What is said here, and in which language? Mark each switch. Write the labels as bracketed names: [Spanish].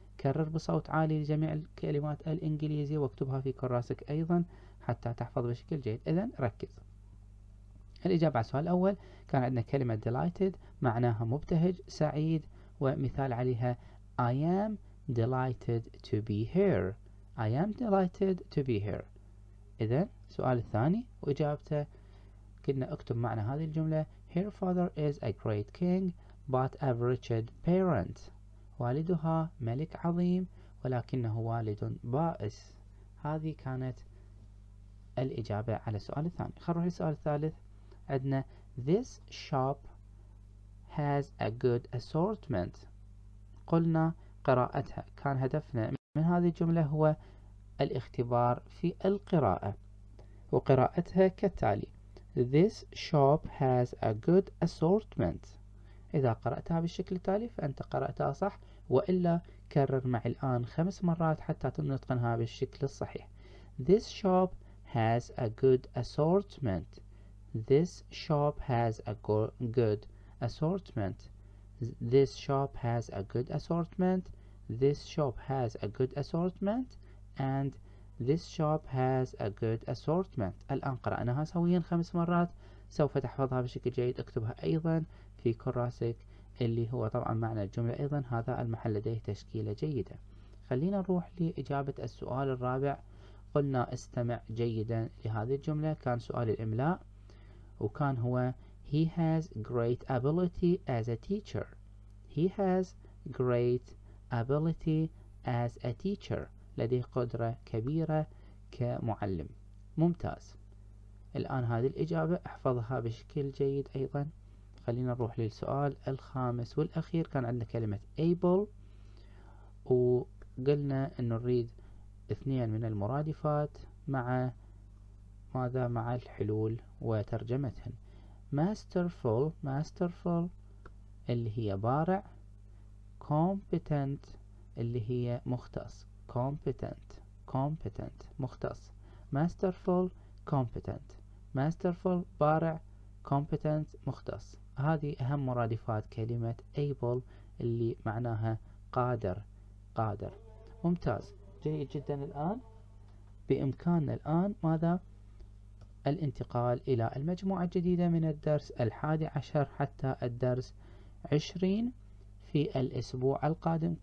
[Arabic] كرر بصوت عالي لجميع الكلمات الإنجليزية واكتبها في كراسك أيضا حتى تحفظ بشكل جيد. إذن ركز. الإجابة على السؤال الأول، كان عندنا كلمة delighted معناها مبتهج سعيد، ومثال عليها [English] I am delighted to be here. I am delighted to be here. [Arabic] إذن سؤال الثاني وإجابته، كنا اكتب معنى هذه الجملة. [English] Her father is a great king but a wretched parent. [Arabic] والدها ملك عظيم ولكنه والد بائس. هذه كانت الإجابة على السؤال الثاني. خروح للسؤال الثالث عندنا، [English] This shop has a good assortment. [Arabic] قلنا قراءتها، كان هدفنا من هذه الجملة هو الاختبار في القراءة، وقراءتها كالتالي، [English] This shop has a good assortment. [Arabic] إذا قرأتها بالشكل التالي فأنت قرأتها صح، وإلا كرر معي الآن 5 مرات حتى تنطقها بالشكل الصحيح. [English] This shop has a good assortment. This shop has a good assortment. This shop has a good assortment. This shop has a good assortment. And this shop has a good assortment. [Arabic] الآن قرأناها سويا 5 مرات، سوف تحفظها بشكل جيد. اكتبها ايضا في كراسك اللي هو طبعا معنى الجملة ايضا، هذا المحل لديه تشكيلة جيدة. خلينا نروح لإجابة السؤال الرابع. قلنا استمع جيدا لهذه الجملة، كان سؤال الإملاء وكان هو [English] He has great ability as a teacher. He has great ability as a teacher. [Arabic] لديه قدرة كبيرة كمعلم. ممتاز. الآن هذه الإجابة احفظها بشكل جيد أيضا. خلينا نروح للسؤال الخامس والأخير. كان عندنا كلمة able وقلنا أن نريد اثنين من المرادفات مع ماذا؟ مع الحلول وترجمتهم. masterful، masterful اللي هي بارع. competent اللي هي مختص. [English] competent، competent مختص. masterful competent، masterful بارع، competent مختص. [Arabic] هذه أهم مرادفات كلمة able اللي معناها قادر، قادر. ممتاز، جيد جدا. الآن بإمكاننا الآن ماذا؟ الانتقال إلى المجموعة الجديدة من الدرس 11 حتى الدرس 20 في الأسبوع القادم.